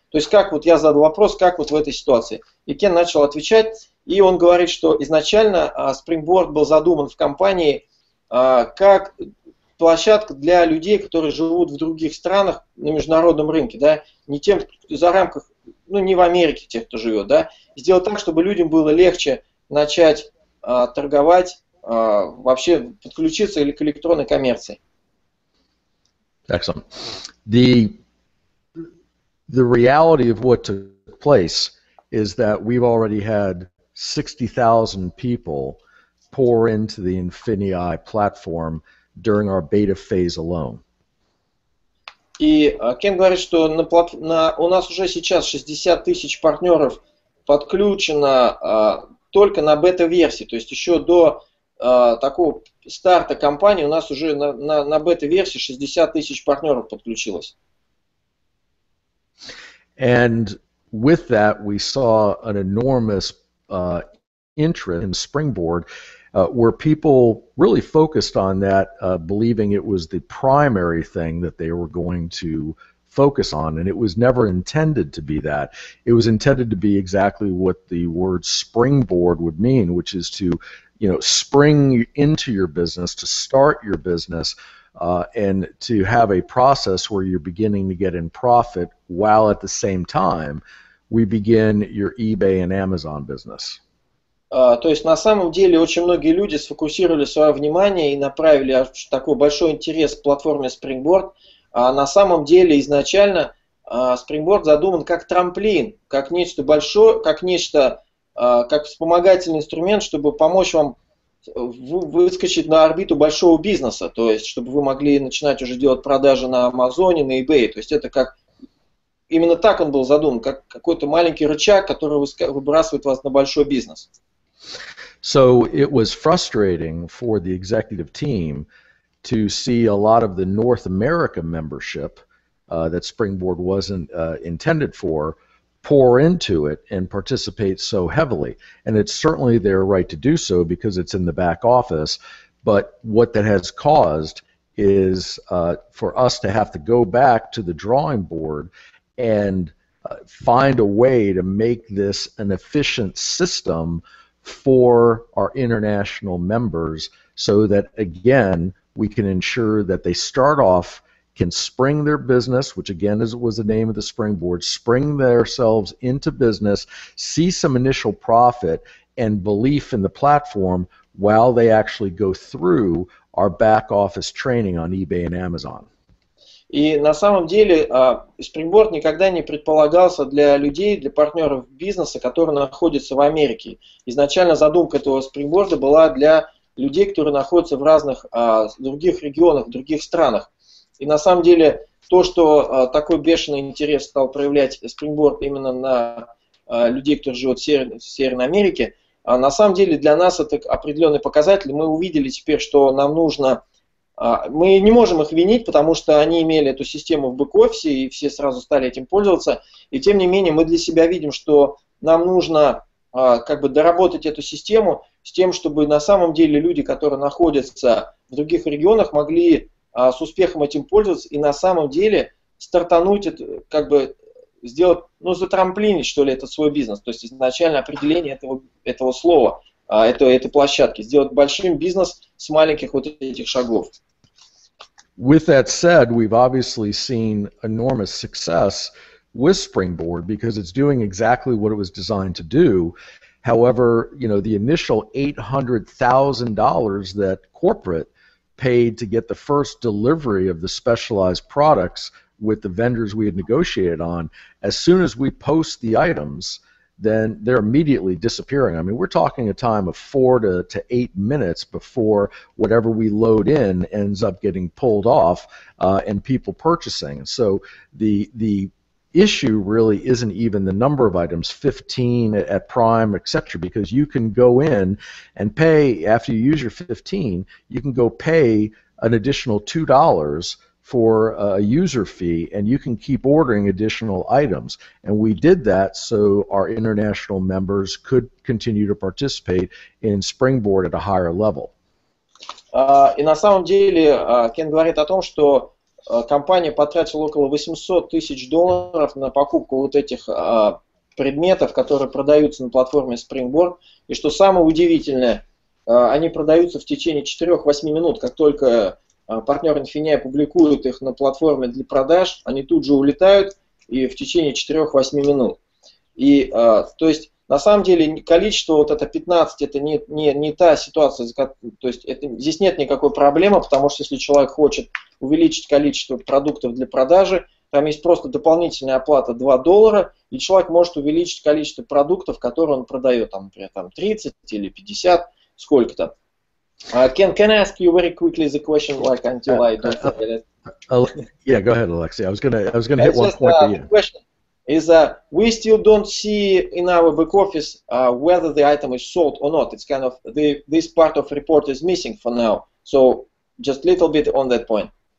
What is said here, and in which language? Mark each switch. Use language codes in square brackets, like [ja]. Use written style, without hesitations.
[ru] То есть как вот я задал вопрос, как вот в этой ситуации. И Кен начал отвечать, и он говорит, что изначально Springboard был задуман в компании как площадка для людей, которые живут в других странах на международном рынке, да, не тем за рамках, ну, не в Америке тех, кто живет, да, сделать так, чтобы людям было легче начать торговать, вообще подключиться или к электронной коммерции. [en] Excellent. The reality of what took place is that we've already had 60,000 people pour into the Infinii platform during our beta phase alone. [ru] И Кен говорит, что у нас уже сейчас 60 тысяч партнеров подключено только на бета-версии. То есть еще до такого старта компании у нас уже на бета-версии 60 тысяч партнеров подключилось. [en] And with that we saw an enormous interest in Springboard, where people really focused on that, believing it was the primary thing that they were going to focus on, and it was never intended to be that. It was intended to be exactly what the word springboard would mean, which is to, you know, spring into your business, to start your business, and to have a process where you're beginning to get in profit while at the same time we begin your eBay and Amazon business. [ru] То есть на самом деле очень многие люди сфокусировали свое внимание и направили такой большой интерес к платформе Springboard. А на самом деле изначально Springboard задуман как трамплин, как нечто большое, как нечто, как вспомогательный инструмент, чтобы помочь вам выскочить на орбиту большого бизнеса, то есть чтобы вы могли начинать уже делать продажи на Амазоне, на eBay. То есть это как именно так он был задуман, как какой-то маленький рычаг, который выбрасывает вас на большой бизнес. [en] So it was frustrating for the executive team to see a lot of the North America membership that Springboard wasn't intended for pour into it and participate so heavily. And it's certainly their right to do so because it's in the back office. But what that has caused is for us to have to go back to the drawing board and find a way to make this an efficient system for our international members, so that again we can ensure that they start off, can spring their business, which again is was the name of the Springboard, spring themselves into business, see some initial profit and belief in the platform while they actually go through our back office training on eBay and Amazon. [ru] И на самом деле Springboard никогда не предполагался для людей, для партнеров бизнеса, которые находятся в Америке. Изначально задумка этого Springboard была для людей, которые находятся в разных других регионах, в других странах. И на самом деле то, что такой бешеный интерес стал проявлять Springboard именно на людей, которые живут в Северной Америке, на самом деле для нас это определенный показатель. Мы увидели теперь, что нам нужно... Мы не можем их винить, потому что они имели эту систему в бэк-офисе, и все сразу стали этим пользоваться. И тем не менее, мы для себя видим, что нам нужно как бы доработать эту систему с тем, чтобы на самом деле люди, которые находятся в других регионах, могли с успехом этим пользоваться и на самом деле стартануть, как бы сделать, ну, затрамплинить, что ли, этот свой бизнес. То есть изначально определение этого слова, этой площадки, сделать большим бизнес с маленьких вот этих шагов. [en] With that said, we've obviously seen enormous success with Springboard because it's doing exactly what it was designed to do. However, you know, the initial $800,000 that corporate paid to get the first delivery of the specialized products with the vendors we had negotiated on, as soon as we post the items, then they're immediately disappearing. I mean, we're talking a time of 4 to 8 minutes before whatever we load in ends up getting pulled off and people purchasing. So the issue really isn't even the number of items, 15 at Prime, etc., because you can go in and pay, after you use your 15, you can go pay an additional $2 for a user fee, and you can keep ordering additional items. And we did that so our international members could continue to participate in Springboard at a higher level. [ru] И на самом деле, Кен говорит о том, что компания потратила около $800,000 на покупку вот этих предметов, которые продаются на платформе Springboard. И что самое удивительное, они продаются в течение 4-8 минут, как только партнер Infinia публикует их на платформе для продаж, они тут же улетают и в течение 4-8 минут. И то есть на самом деле количество, вот это 15, это не та ситуация, то есть здесь нет никакой проблемы, потому что если человек хочет увеличить количество продуктов для продажи, там есть просто дополнительная оплата $2, и человек может увеличить количество продуктов, которые он продает, там, например, там 30 или 50, сколько-то. [en] Can I ask you very quickly the question, like, until I don't forget it? Yeah, go ahead, Alexei. I was gonna hit one point. The question is, we still don't see in our back office whether the item is sold or not. It's kind of this part of report is missing for now. So just a little bit on that point.